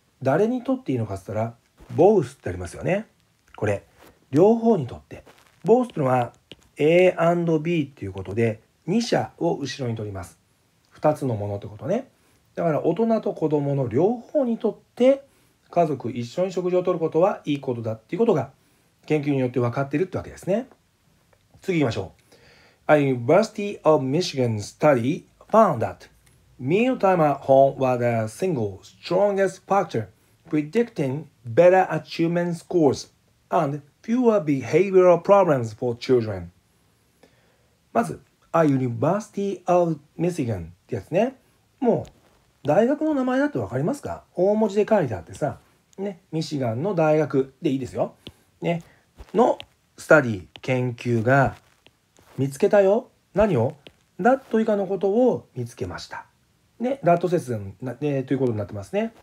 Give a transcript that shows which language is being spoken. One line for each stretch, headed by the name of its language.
Japanese: 誰にとっていいのかって言ったら、 both ってありますよね。これ両方にとって、 both というのは A and B っていうことで2者を後ろにとります。 2つのものってことね。だから大人と子供の両方にとって家族一緒に食事をとることはいいことだっていうことが研究によって分かってるってわけですね。次行きましょう。
English: University of Michigan study found thatMealtime at home was the single strongest factor predicting better achievement scores and fewer behavioral problems for children.
Japanese: まず、A University of Michigan ってやつね。もう、大学の名前だってわかりますか？大文字で書いてあってさ、ね、ミシガンの大学でいいですよ。ね、のスタディ、研究が見つけたよ。何を？だと以下のことを見つけました。ね、ラット節電、ということになってますね。